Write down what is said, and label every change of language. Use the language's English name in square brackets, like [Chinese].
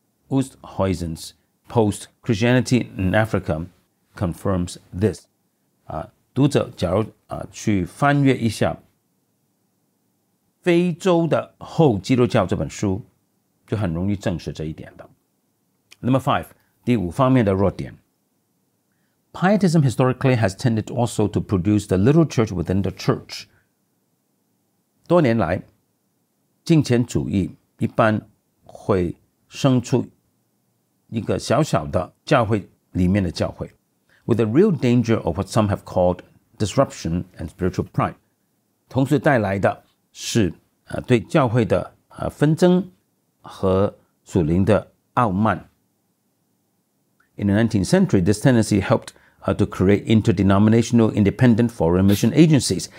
[English] Oosthuizen's Post-Christianity in Africa confirms this. [Chinese] 读者假如去翻阅一下《非洲的后基督教》这本书，就很容易证实这一点的。 [English] Number five, [Chinese] 第五方面的弱点。 [English] Pietism historically has tended also to produce the little church within the church. [Chinese] 多年来，敬虔主义一般会生出一个小小的教会里面的教会 [English] ，with a real danger of what some have called disruption and spiritual pride. [Chinese] 同时带来的是对教会的纷争和属灵的傲慢。 [English] In the 19th century, this tendency helped to create interdenominational independent foreign mission agencies.